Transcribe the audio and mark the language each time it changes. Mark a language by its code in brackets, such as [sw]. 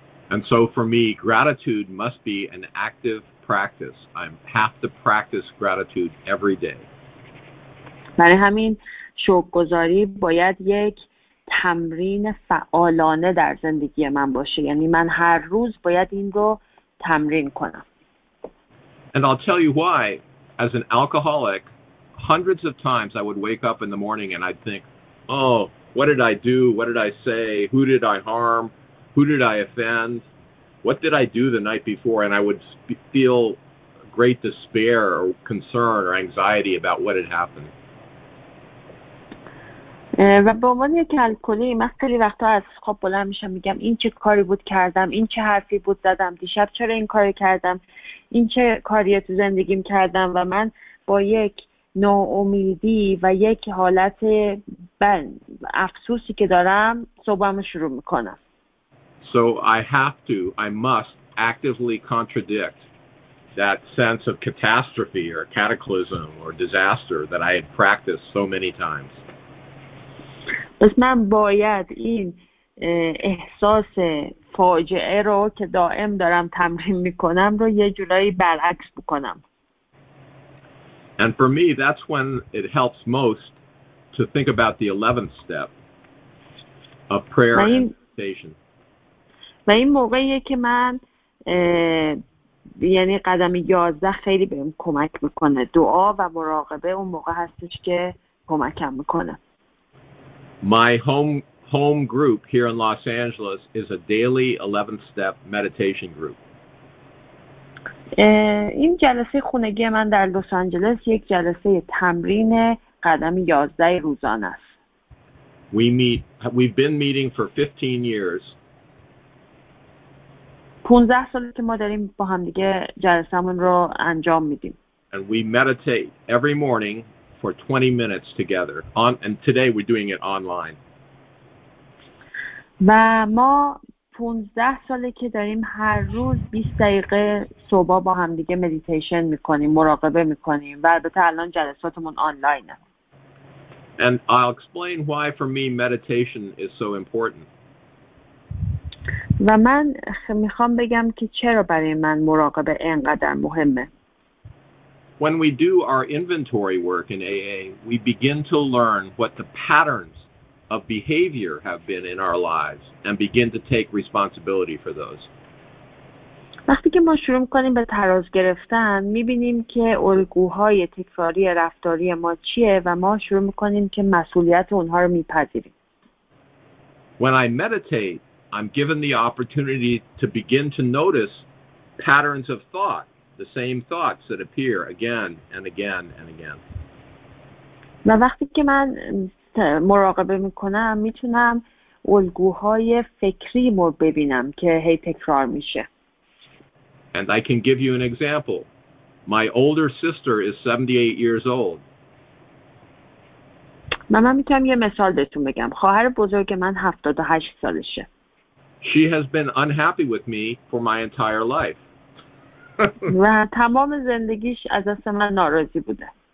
[en] And so for me, gratitude must be an active practice. I have to practice gratitude every day. [fa] برای همین شکرگزاری باید یک تمرین فعالانه در زندگی من باشه. یعنی من هر روز باید این رو تمرین کنم. [en] And I'll tell you why. As an alcoholic, hundreds of times I would wake up in the morning and I'd think, oh, what did I do? What did I say? Who did I harm? Who did I offend? What did I do the night before? And I would feel great despair or concern or anxiety about what had happened. [fa] و به عنوان یک الکلی من خیلی وقتا از خواب بلند میشم میگم این چه کاری بود کردم، این چه حرفی بود زدم، دیشب چرا این کاری کردم، این چه کاری تو زندگیم کردم و من با یک ناامیدی و یک حالت افسوسی که دارم صبحم شروع میکنم. [en] So I have to, I must actively contradict that sense of catastrophe or cataclysm or disaster that I had practiced so many times. [fa] پس من باید این احساس فاجعه رو که دائم دارم تمرین میکنم رو یه جورایی برعکس بکنم. [en] And for me, that's when it helps most to think about the 11th step of prayer and meditation. [fa] و این موقعیه که من یعنی قدم 11 خیلی بهم کمک میکنه. دعا و مراقبه اون موقع هستش که کمکم میکنه. [en] My home group here in Los Angeles is a daily 11th step meditation group. [fa] این جلسه خانگی من در لس آنجلس یک جلسه تمرین قدم 11 روزانه است. [en] We've been meeting for 15 years. [fa] 15 سال که ما داریم با هم دیگه جلسه‌مون رو انجام میدیم. [en] And we meditate every morning for 20 minutes together. And today we're doing it online. [fa] و ما 15 ساله که داریم هر روز 20 دقیقه صبح با هم دیگه مدیتیشن میکنیم، مراقبه میکنیم و البته الان جلساتمون آنلاینه. [en] And I'll explain why for me meditation is so important. [fa] و من میخوام بگم که چرا برای من مراقبه اینقدر مهمه. [en] When we do our inventory work in AA, we begin to learn what the patterns of behavior have been in our lives and begin to take responsibility for those. [fa] وقتی که ما شروع می‌کنیم به تراز گرفتن، می‌بینیم که الگوهای تکراری رفتاری ما چیه و ما شروع می‌کنیم که مسئولیت اونها رو می‌پذیریم. [en] When I meditate, I'm given the opportunity to begin to notice patterns of thought. The same thoughts that appear again and again and again. [fa] و وقتی که من مراقبه میکنم میتونم الگوهای فکری مو ببینم که هی تکرار میشه. [en] And I can give you an example. My older sister is 78 years old [fa] من هم میتونم یه مثال بهتون بگم. خواهر بزرگ من 78 سالشه. [en] She has been unhappy with me for my entire life. [fa] و تمام زندگیش از دست من ناراضی بوده.